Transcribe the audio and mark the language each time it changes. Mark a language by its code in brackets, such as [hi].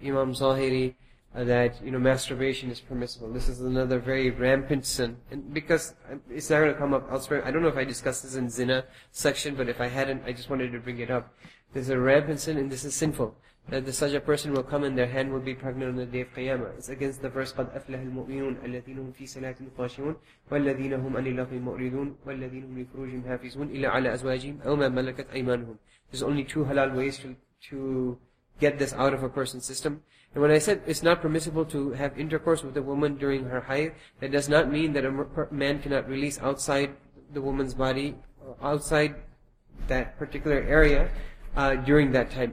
[en] Imam Zahiri, that, you know, masturbation is permissible. This is another very rampant sin. And because it's not going to come up elsewhere, I don't know if I discussed this in zina section, but if I hadn't, I just wanted to bring it up. There's a rampant sin, and this is sinful, that such a person will come and their hand will be pregnant on the day of Qiyamah. It's against the verse, [ar] قَدْ أَفْلَحَ الْمُؤْمِنُونَ الَّذِينَ هُمْ فِي صَلَاتٍ خَاشِعُونَ وَالَّذِينَ هُمْ عَنِ اللَّغْوِ مُعْرِضُونَ وَالَّذِينَ هُمْ لِفُرُوجِهِمْ حَافِظُونَ إِلَّا عَلَى أَزْوَاجِهِمْ أَوْ مَا مَلَكَتْ أَيْمَانُهُمْ. [en] There's only two halal ways to get this out of a person's system. And when I said it's not permissible to have intercourse with a woman during her hayd, that does not mean that a man cannot release outside the woman's body, outside that particular area, During that time.